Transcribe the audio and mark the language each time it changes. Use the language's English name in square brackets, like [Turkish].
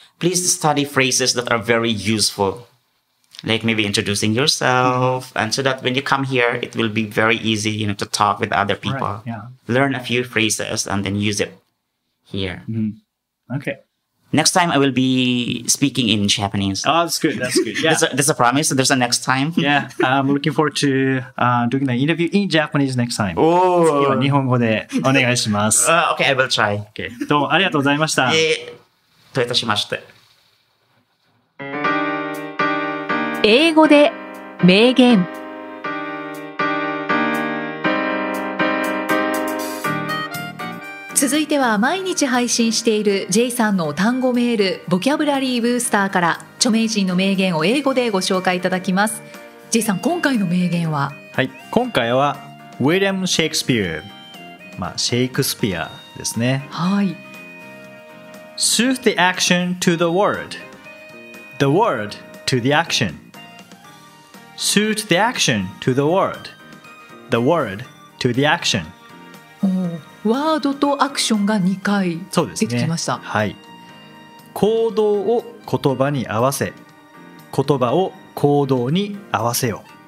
[English] please study phrases that are very useful, like maybe introducing yourself, and so that when you come here, it will be very easy, you know, to talk with other people. Right, yeah. Learn a few phrases and then use it here. Mm-hmm. Okay. Next time I will be speaking in Japanese. Oh, that's good. That's good. Yeah. That's a promise. There's a next time. Yeah. I'm looking forward to doing the interview in Japanese next time. Oh. [Japanese] 次は日本語でお願いします。 [English] Okay, I will try. Okay. [Japanese] どうもありがとうございました。どういたしまして。英語で名言。続いては毎日配信している J さんの単語メールボキャブラリーブースターから著名人の名言を英語でご紹介いただきます。 J さん、今回の名言は、はい、今回はウィリアム・シェイクスピア、まあ、シェイクスピアですね。はい。 [English] Soothe the action to the word, the word to the action. Soothe the action to the word, the word to the action. [Japanese] おお、ワードとアクションが2回出てきました、ね、はい。行動を言葉に合わせ、言葉を行動に合わせよ。